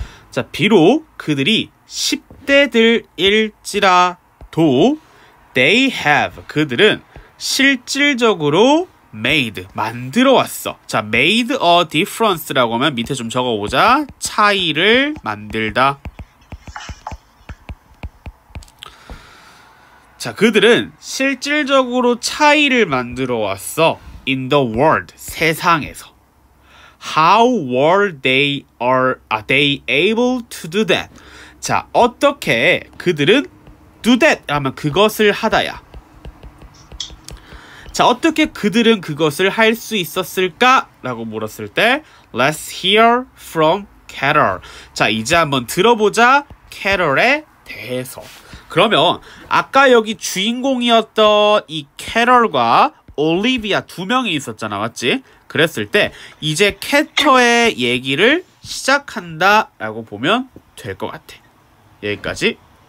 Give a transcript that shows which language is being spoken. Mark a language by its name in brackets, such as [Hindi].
[Korean] 자, 비록 그들이 10대들일지라도 [English] they have [Korean] 그들은 실질적으로 [English] made, [Korean] 만들어 왔어. 자, [English] made a difference [Korean] 라고 하면 밑에 좀 적어보자. 차이를 만들다. 자, 그들은 실질적으로 차이를 만들어 왔어. [English] In the world, [Korean] 세상에서. [English] How were they, they able to do that? [Korean] 자, 어떻게 그들은 [English] do that? [Korean] 하면 그것을 하다야. 자, 어떻게 그들은 그것을 할 수 있었을까? 라고 물었을 때 [English] Let's hear from Carol. [Korean] 자, 이제 한번 들어보자. Carol에 대해서. 그러면 아까 여기 주인공이었던 이 Carol과 Olivia 두 명이 있었잖아, 맞지? 그랬을 때 이제 캐터의 얘기를 시작한다 라고 보면 될 것 같아. 여기까지.